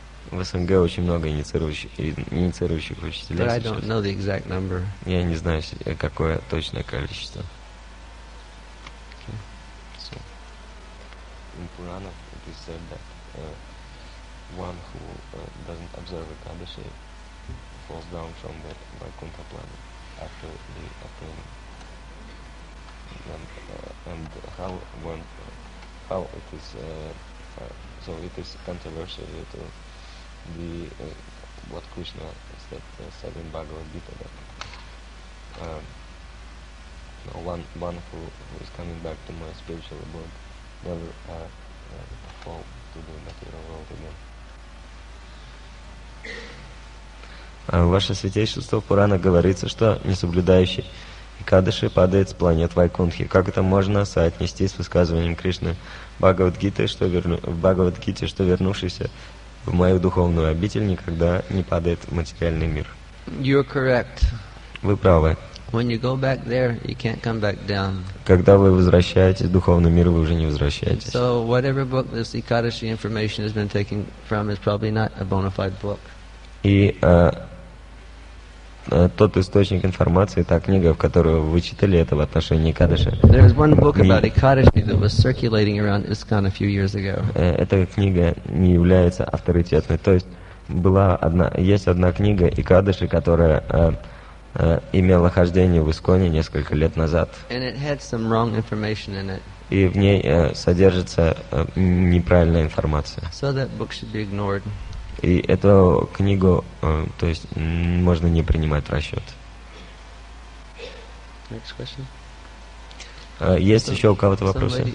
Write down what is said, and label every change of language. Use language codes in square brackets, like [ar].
[ru] В СНГ очень много инициирующих учителей. [en] But I don't know the exact number. [ru] Я не знаю, какое точное количество. [en] In Purana, it is said that one who doesn't observe Ekadashi falls down from the Vaikuntha planet after the attainment. And how it is so it is controversial to the what Krishna said, said in Bhagavad Gita that one who is coming back to my spiritual abode never fall to the material world again. [ru] Ваше святейшество, в Пуране говорится, что несоблюдающий Экадаши падает с планет Вайкунтхи. Как это можно соотнести с высказыванием Кришны в Бхагавад-гите, что вернувшийся в мою духовную обитель никогда не падает в материальный мир. [en] You're correct. [ru] Вы правы. [en] When you go back there, you can't come back down. [ru] Когда вы возвращаетесь в духовный мир, вы уже не возвращаетесь. [en] So whatever book this Ekadashi information has been taken from is probably not a bona fide book. [ru] И тот источник информации, та книга, в которую вы читали это в отношении Экадаши. [en] There was one book about Ekadashi that was circulating around ISKCON a few years ago. [ru] Эта книга не является авторитетной. То есть есть одна книга Экадаши, которая имела хождение в ИСККОНе несколько лет назад. [en] And it had some wrong information in it. [ru] И в ней содержится неправильная информация. [en] So that book should be ignored. [ru] И эту книгу, то есть, можно не принимать в расчет. [en] Next question. [ru] Есть еще у кого-то вопросы?